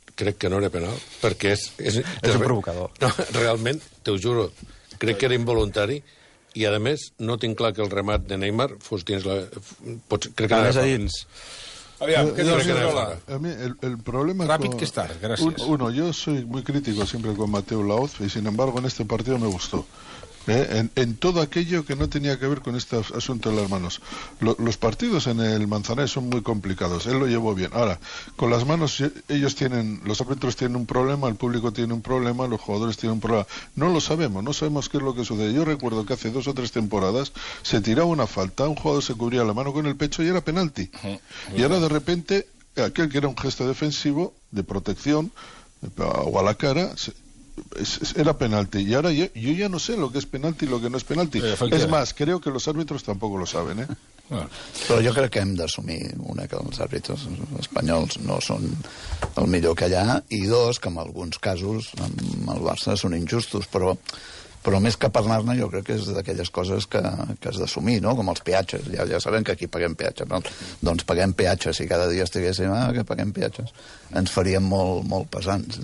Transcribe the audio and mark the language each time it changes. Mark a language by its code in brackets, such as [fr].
[ca] Crec que no era penal, perquè és és un provocador. No, realment, t'ho juro, crec que era involuntari, i a més no tinc clar que el remat de Neymar fos dins la... Crec que era a dins. Aviam, què dius, Rola? A mi el problema... Ràpid que estàs, gràcies. [es] Uno, jo soy muy crítico siempre con Mateu Laoz, y sin embargo en este partido me gustó. En todo aquello que no tenía que ver con este asunto de las manos. Los partidos en el Manzanares son muy complicados, él lo llevó bien. Ahora, con las manos, los árbitros tienen un problema, el público tiene un problema, los jugadores tienen un problema. No sabemos qué es lo que sucede. Yo recuerdo que hace dos o tres temporadas se tiraba una falta, un jugador se cubría la mano con el pecho y era penalti. Y ahora de repente, aquel que era un gesto defensivo, de protección, o a la cara, era penalti. Y ahora yo ya no sé lo que es penalti y lo que no es penalti. Es más, creo que los árbitros tampoco lo saben, ¿eh? [ca] Però jo crec que hem d'assumir, una, que els àrbitres espanyols no són el millor que hi ha, i dos, que en alguns casos amb el Barça són injustos, però més que parlar-ne, jo crec que és d'aquelles coses que has d'assumir, no? Com els peatges. Ja sabem que aquí paguem peatges, no? Doncs paguem peatges, si cada dia estiguéssim, que paguem peatges, ens faríem molt, molt pesants.